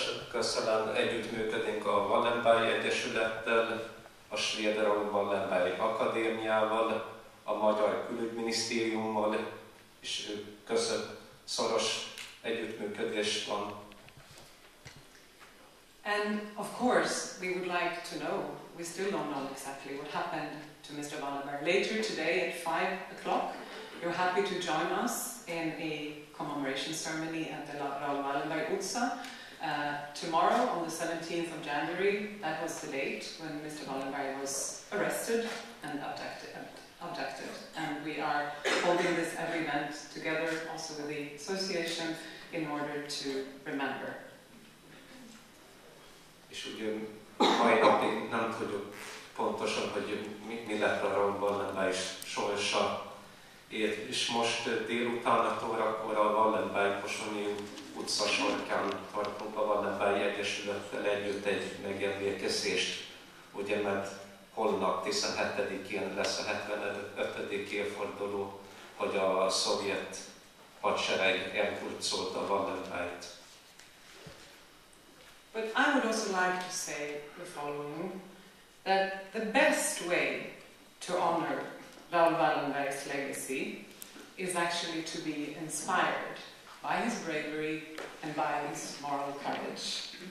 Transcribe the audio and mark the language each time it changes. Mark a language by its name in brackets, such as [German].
[Hungarian] Köszönöm, együttműködünk a Wallenberg Egyesülettel, a Svéd Raoul Wallenberg Akadémiával, a Magyar Külügyminisztériummal, és köszönöm, szoros együttműködés van. [English] And of course, we would like to know, we still don't know exactly what happened to Mr. Wallenberg. Later today at 5 o'clock, you're happy to join us in a commemoration ceremony at the Raoul Wallenberg Utca. Tomorrow, on the 17th of January, that was the date when Mr. Wallenberg was arrested and abducted. And we are holding this event together, also with the association, in order to remember. [Hungarian] És ugye mai napig nem tudjuk pontosan, hogy mi lett a Raoul Wallenberg sorsa. És most délután a órakor a Wallenberg-Pozsonyi utca sarkán tartunk a Wallenberg Egyesülettel együtt egy megemlékezést, ugye, mert holnap 17-én lesz a 75. évforduló, hogy a szovjet hadsereg elkurcolt a Wallenbergt. [English] But I would also like to say the following, that the best way to honor Raoul Wallenberg's legacy is actually to be inspired by his bravery and by his moral courage.